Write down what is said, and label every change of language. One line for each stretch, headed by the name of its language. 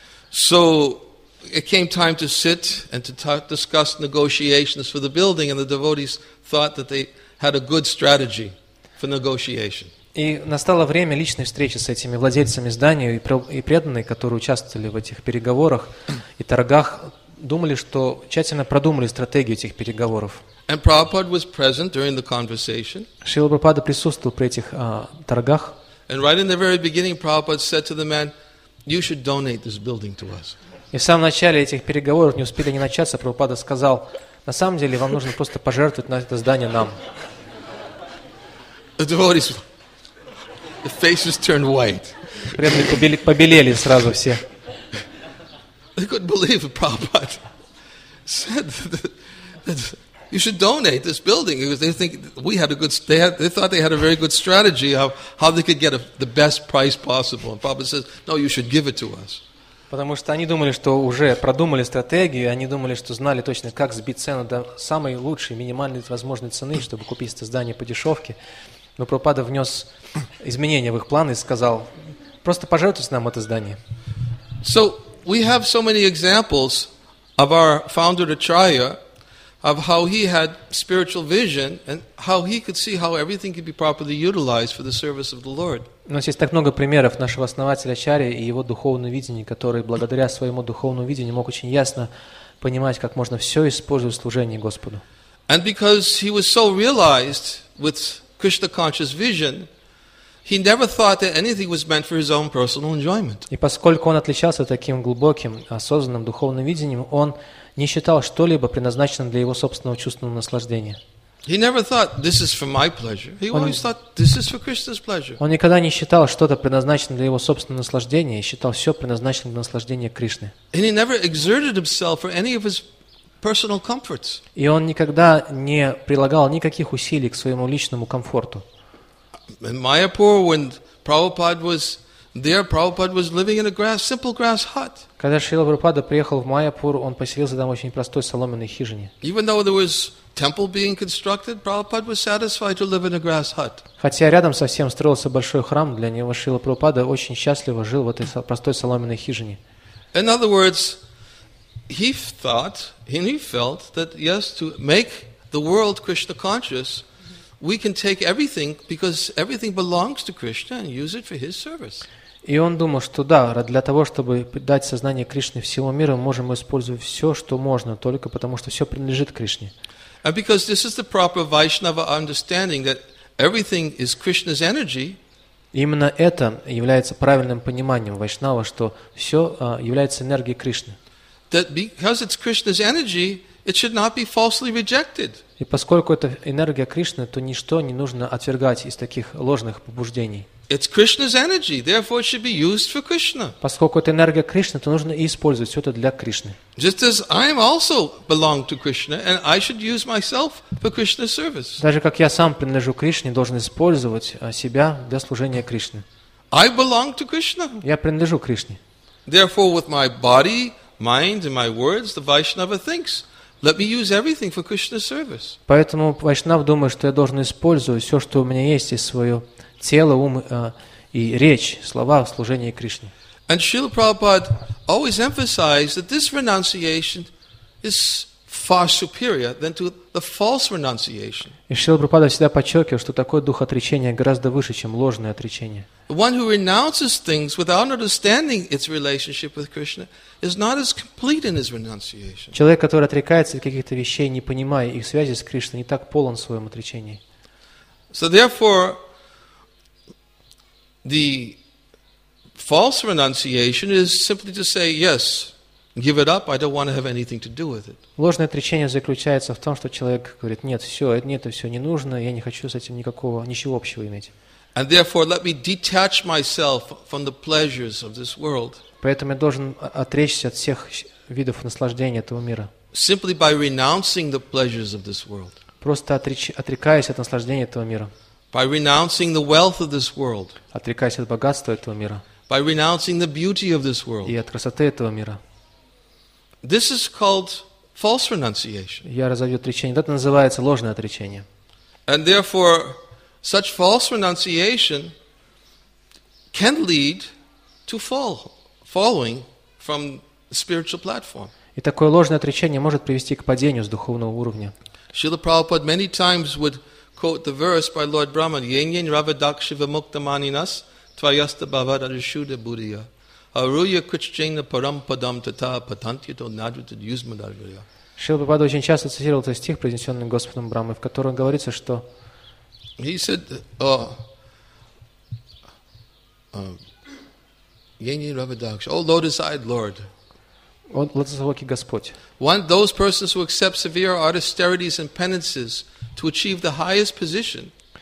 English: So it came time to sit and to discuss negotiations for the building, and the devotees thought that they had a good strategy for negotiation.
Russian: И настало время личной встречи с этими владельцами здания и преданные, которые участвовали в этих переговорах и торгах, думали, что тщательно продумали стратегию этих переговоров.
English: And Prabhupada was present during the conversation.
Russian: Шрила Прабхупада присутствовал при этих торгах.
English: And right in the very beginning, Prabhupada said to the man, "You should donate this building to us."
Russian: И в самом начале этих переговоров, не успели они начаться, Прабхупада сказал, на самом деле вам нужно просто пожертвовать на это здание нам.
English: The faces turned white.
Russian: Преданные побелели сразу все.
English: They couldn't believe that Prabhupada said that you should donate this building. Because they thought they had a very good strategy of how they could get the best price possible. And Prabhupada says, no, you should give it to us.
Russian: Потому что они думали, что уже продумали стратегию, они думали, что знали точно, как сбить цену до самой лучшей, минимальной возможной цены, чтобы купить это здание по дешевке. Но Прабхупада внес изменения в их планы и сказал, просто пожертвуйте нам это здание.
English: So, we have so many examples of our founder Acharya, of how he had spiritual vision and how he could see how everything could be properly utilized for the service of the Lord.
Russian: У нас есть так много примеров нашего основателя Ачарьи и его духовного видения, который благодаря своему духовному видению мог очень ясно понимать, как можно все использовать в служении Господу.
English: And because he was so realized with Krishna conscious vision, he never thought that anything was meant for his own personal enjoyment.
Russian: И поскольку он отличался таким глубоким, осознанным духовным видением, он не считал что-либо предназначенным для его собственного чувственного наслаждения.
English: He never thought this is for my pleasure. He always thought this is for Krishna's pleasure.
Russian: Он никогда не считал что-то предназначенным для его собственного наслаждения, считал все предназначенным для наслаждения Кришны.
English: And he never exerted himself for any of his personal comforts.
Russian: И он никогда не прилагал никаких усилий к своему личному комфорту.
English: In Mayapur, when Prabhupada was there, Prabhupada was living in a simple grass hut.
Russian: Когда Шрила Прабхупада приехал в Майяпур, он поселился там в очень простой соломенной хижине.
English: Even though there was temple being constructed, Prabhupada was satisfied to live in a grass hut.
Russian: Хотя рядом совсем строился большой храм, для него Шрила Прабхупада очень счастливо жил в этой простой соломенной хижине.
English: In other words, he thought and he felt that yes, to make the world Krishna conscious, we can take everything because everything belongs to Krishna and use it for his service.
Russian: И он думал, что да, для того, чтобы дать сознание Кришне всему миру, мы можем использовать все, что можно, только потому, что все принадлежит Кришне.
English: And because this is the proper Vaishnava understanding that everything is Krishna's energy,
Russian: Именно это является правильным пониманием вайшнава, что все является энергией Кришны.
English: That because it's Krishna's energy, it should not be falsely rejected.
Russian: И поскольку это энергия Кришны, то ничто не нужно отвергать из таких ложных побуждений.
English: It's Krishna's energy, therefore it should be used for Krishna.
Russian: Поскольку это энергия Кришны, то нужно и использовать все это для Кришны.
English: Just as I am also belong to Krishna, and I should use myself for Krishna's service.
Russian: Даже как я сам принадлежу Кришне, должен использовать себя для служения Кришне.
English: I belong to Krishna.
Russian: Я принадлежу Кришне.
English: Therefore, with my body, mind, and my words, the Vaishnava thinks, let me use everything for Krishna's service.
Russian: Поэтому Вайшнав думает, что я должен использовать все, что у меня есть, и свое тело, ум и речь, слова в служении Кришне.
English: And Srila Prabhupada always emphasized that this renunciation is far superior than to the false renunciation.
Russian: И Шрила Прабхупада всегда подчеркивал, что такое дух отречения гораздо выше, чем ложное отречение.
English: The one who renounces things without understanding its relationship with Krishna is not as complete in his renunciation.
Russian: Человек, который отрекается от каких-то вещей, не понимая их связи с Кришной, не так полон в своем отречении.
English: So therefore, the false renunciation is simply to say yes, give it up, I don't want to have anything to do with it.
Russian: Ложное отречение заключается в том, что человек говорит: нет, все, нет, это все не нужно, я не хочу с этим никакого, ничего общего иметь.
English: And therefore, let me detach myself from the pleasures of this world.
Russian: Поэтому я должен отречься от всех видов наслаждения этого мира.
English: Simply by renouncing the pleasures of this world.
Russian: Просто отрекаясь от наслаждения этого мира.
English: By renouncing the wealth of this world.
Russian: Отрекаясь от богатства этого мира.
English: By renouncing the beauty of this world.
Russian: И от красоты этого мира.
English: This is called false renunciation.
Russian: Я разовью отречение. Это называется ложное отречение.
English: And therefore, such false renunciation can lead to falling from the spiritual platform.
Russian: И такое ложное отречение может привести к падению с духовного уровня.
English: Srila Prabhupada many times would quote the verse by Lord Brahma,
Sanskrit: Yenyen rava dakshiva mukta maninas tvayasta bhavad arishuddha buddhya aruya kuchjena parampadam tata patantyato nadvitad yuzmadarvaya.
Russian: Srila Prabhupada очень часто цитировал этот стих, произнесенный Господом Брахмой, в котором говорится, что
English: He said,
Sanskrit: Yenyen rava dakshiva,
English: oh, lotus-eyed Lord, one those persons who accept severe austerities and penances to achieve the highest position.